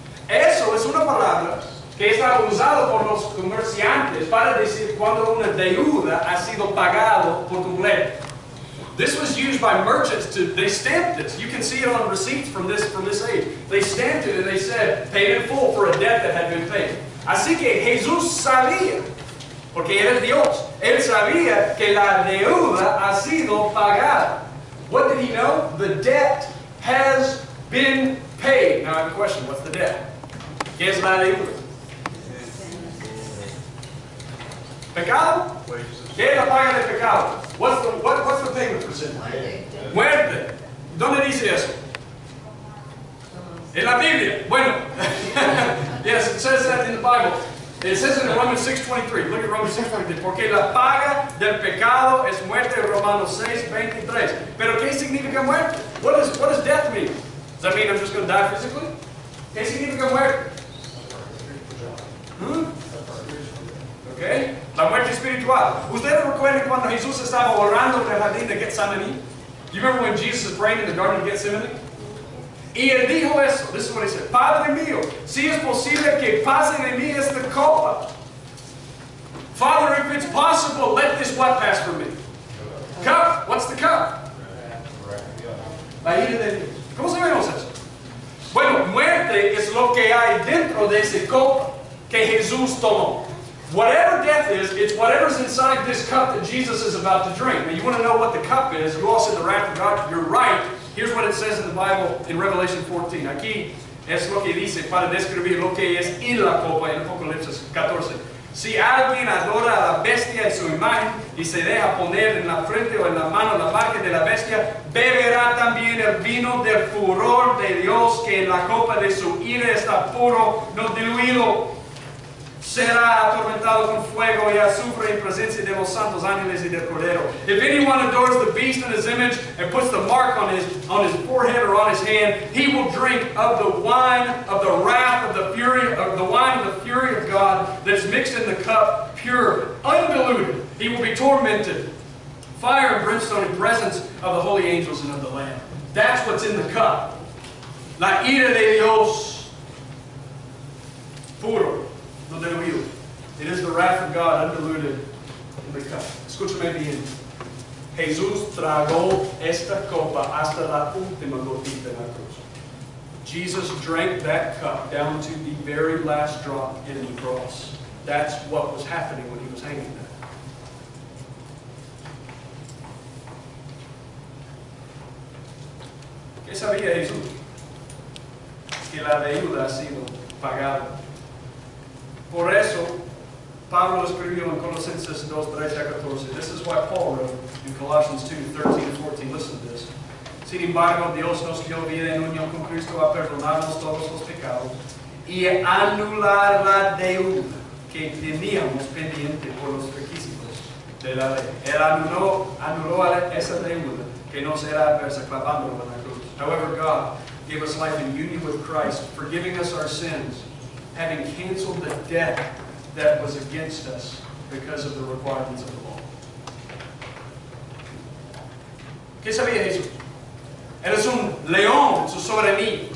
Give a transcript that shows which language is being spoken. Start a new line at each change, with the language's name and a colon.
Spanish: Eso es una palabra que está usado por los comerciantes para decir cuando una deuda ha sido pagado por completo.
English: This was used by merchants to, they stamped this. You can see it on receipts from this age. They stamped it and they said, paid in full for a debt that had been paid.
Spanish: Así que Jesús sabía, porque él es Dios, él sabía que la deuda ha sido pagada.
English: What did he know? The debt has been paid. Now I have a question, what's the debt?
Spanish: ¿Qué es la deuda? Pecado? ¿Qué es la paga de pecado?
English: What's the payment for sin?
Spanish: Muerte. ¿Dónde dice eso? En la Biblia. Bueno.
English: Yes, it says that in the Bible. It says in Romans 6:23. Look at Romans 6:23.
Spanish: Porque la paga del pecado es muerte. Romanos 6:23. Pero ¿qué significa muerte?
English: What does death mean? Does that mean I'm just going to die physically?
Spanish: ¿Qué significa muerte? Okay. La muerte espiritual. ¿Ustedes recuerdan cuando Jesús estaba orando en el jardín de Getsemaní?
English: You remember when Jesus is praying in the garden of Getsemaní?
Spanish: Y él dijo eso.
English: This is what he said.
Spanish: Padre mío, si es posible que pase de mí esta copa.
English: Father, if it's possible, let this what pass from me? Cup. What's the cup?
Spanish: La ira de Dios. ¿Cómo sabemos eso? Bueno, muerte es lo que hay dentro de ese copa que Jesús tomó.
English: Whatever death is, it's whatever's inside this cup that Jesus is about to drink. Now, you want to know what the cup is, you all said the wrath of God, you're right. Here's what it says in the Bible in Revelation 14.
Spanish: Aquí es lo que dice para describir lo que es en la copa en Apocalipsis 14. Si alguien adora a la bestia en su imagen y se deja poner en la frente o en la mano la marca de la bestia, beberá también el vino del furor de Dios que en la copa de su ira está puro, no diluido. Será atormentado con fuego y azufre en presencia de los santos ángeles y del cordero.
English: If anyone adores the beast in his image and puts the mark on his forehead or on his hand, he will drink of the wine of the wrath of the fury of the wine of the fury of God that is mixed in the cup, pure, undiluted. He will be tormented, fire and brimstone in presence of the holy angels and of the Lamb. That's what's in the cup.
Spanish: La ira de Dios puro.
English: It is the wrath of God undiluted in the cup.
Spanish: Escúchame bien. Jesús tragó esta copa hasta la última gotita en la cruz.
English: Jesus drank that cup down to the very last drop in the cross. That's what was happening when he was hanging there.
Spanish: ¿Qué sabía Jesús? Que la deuda ha sido pagada. Por eso, Pablo escribió en Colosenses 2, 13 a 14.
English: This is why Paul wrote in Colossians 2, 13 and 14. Listen to this.
Spanish: Sin embargo, Dios nos dio vida en unión con Cristo a perdonarnos todos los pecados y anular la deuda que teníamos pendiente por los requisitos de la ley. Él anuló esa deuda que nos era adversa clavándola en la cruz.
English: However, God gave us life in union with Christ, forgiving us our sins, having canceled the debt that was against us because of the requirements of the law.
Spanish: ¿Qué sabía Jesús? Él es un león, su soberanía.